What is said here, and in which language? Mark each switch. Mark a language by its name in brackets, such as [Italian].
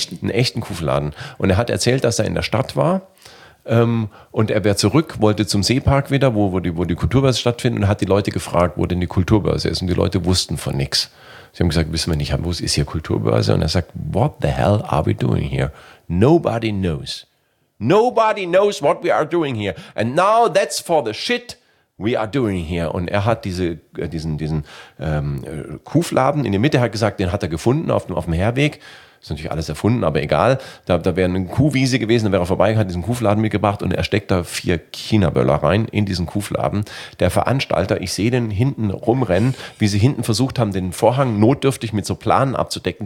[German] Einen echten Kuhfladen. Und er hat erzählt, dass er in der Stadt war und er wäre zurück, wollte zum Seepark wieder, wo die Kulturbörse stattfindet, und hat die Leute gefragt, wo denn die Kulturbörse ist. Und die Leute wussten von nichts. Sie haben gesagt, wissen wir nicht, wo ist hier Kulturbörse? Und er sagt, [English] what the hell are we doing here? Nobody knows. Nobody knows what we are doing here. And now that's for the shit we are doing here. [German] Und er hat diesen Kuhfladen in der Mitte, hat gesagt, den hat er gefunden auf dem Herweg. Ist natürlich alles erfunden, aber egal. Da wäre eine Kuhwiese gewesen, da wäre er vorbei, hat diesen Kuhfladen mitgebracht und er steckt da 4 China-Böller rein in diesen Kuhfladen. Der Veranstalter, ich sehe den hinten rumrennen, wie sie hinten versucht haben, den Vorhang notdürftig mit so Planen abzudecken.